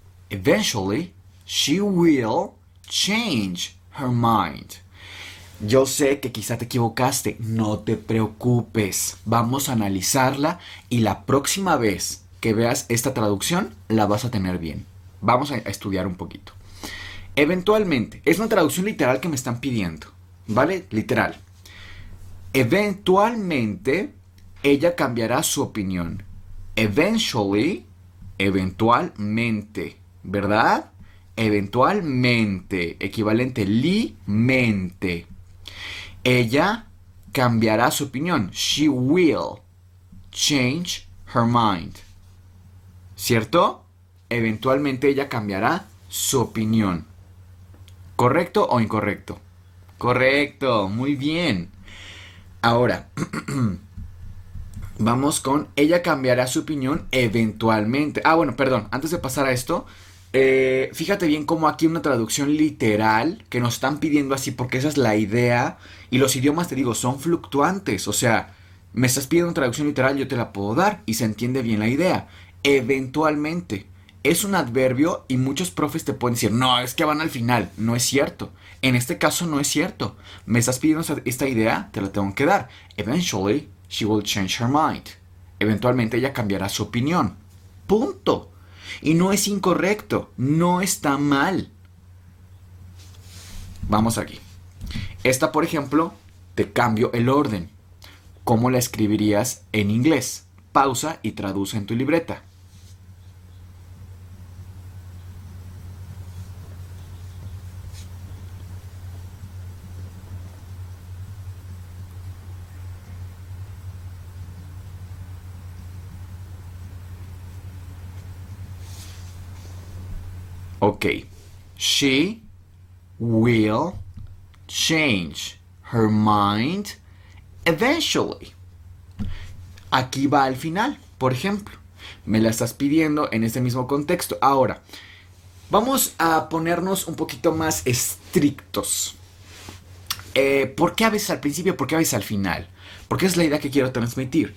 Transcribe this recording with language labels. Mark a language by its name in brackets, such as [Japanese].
[English] Eventually, she will change her mind. [Spanish] Yo sé que quizá te equivocaste, no te preocupes. Vamos a analizarla y la próxima vez que veas esta traducción, la vas a tener bien. Vamos a estudiar un poquito. Eventualmente, es una traducción literal que me están pidiendo, ¿vale? Literal. Eventualmente, ella cambiará su opinión. Eventually, eventualmente, ¿verdad? Eventualmente, equivalente li-mente. Ella cambiará su opinión. [English] She will change her mind. [Spanish] ¿Cierto? Eventualmente ella cambiará su opinión. ¿Correcto o incorrecto? Correcto, muy bien. Ahora, vamos con ella cambiará su opinión eventualmente. Ah, bueno, perdón, antes de pasar a esto. Fíjate bien cómo aquí una traducción literal que nos están pidiendo así, porque esa es la idea. Y los idiomas, te digo, son fluctuantes. O sea, me estás pidiendo una traducción literal, yo te la puedo dar y se entiende bien la idea. Eventualmente es un adverbio y muchos profes te pueden decir, no, es que van al final. No es cierto. En este caso no es cierto. Me estás pidiendo esta idea, te la tengo que dar. [English] Eventually she will change her mind. [Spanish] Eventualmente ella cambiará su opinión. Punto. Y no es incorrecto, no está mal. Vamos aquí. Esta, por ejemplo, te cambio el orden. ¿Cómo la escribirías en inglés? Pausa y traduce en tu libreta. [English] Ok, she will change her mind eventually. [Spanish] Aquí va al final, por ejemplo. Me la estás pidiendo en este mismo contexto. Ahora, vamos a ponernos un poquito más estrictos. ¿Por qué a veces al principio? ¿Por qué a veces al final? Porque es la idea que quiero transmitir.